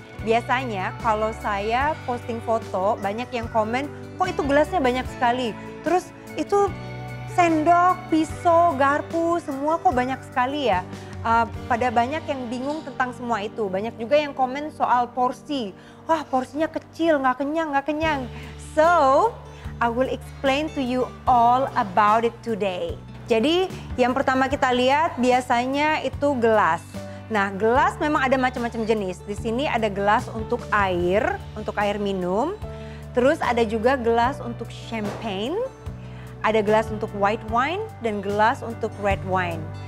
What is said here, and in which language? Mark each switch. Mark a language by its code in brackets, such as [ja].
[id] Biasanya kalau saya posting foto, banyak yang komen, kok itu gelasnya banyak sekali? Terus itu sendok, pisau, garpu, semua kok banyak sekali ya? Pada banyak yang bingung tentang semua itu. Banyak juga yang komen soal porsi. Wah, porsinya kecil, gak kenyang. [en] So, I will explain to you all about it today. [id] Jadi, yang pertama kita lihat biasanya itu gelas. Nah, gelas memang ada macam-macam jenis. Di sini ada gelas untuk air minum. Terus ada juga gelas untuk champagne. Ada gelas untuk white wine dan gelas untuk red wine.